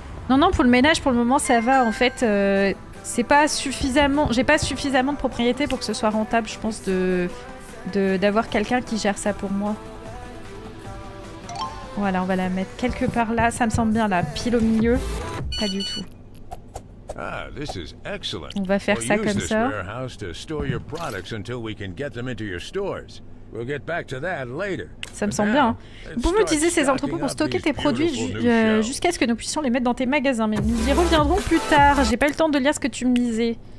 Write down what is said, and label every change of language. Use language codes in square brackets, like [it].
[fr] Non, non, pour le ménage, pour le moment, ça va. En fait, c'est pas suffisamment... J'ai pas suffisamment de propriété pour que ce soit rentable, je pense, d'avoir quelqu'un qui gère ça pour moi. Voilà, on va la mettre quelque part là. Ça me semble bien, là, pile au milieu. Pas du tout. [en] Ah, this is excellent. [fr] On va faire [en] we'll [fr] ça comme ça. [en] We'll use this warehouse to store your products until we can get them into your stores. We'll get back to that later. [fr] Ça me semble bien. Vous pouvez utiliser ces entrepôts pour stocker tes produits jusqu'à ce que nous puissions les mettre dans tes magasins. Mais nous y reviendrons plus tard. J'ai pas le temps de lire ce que tu me disais.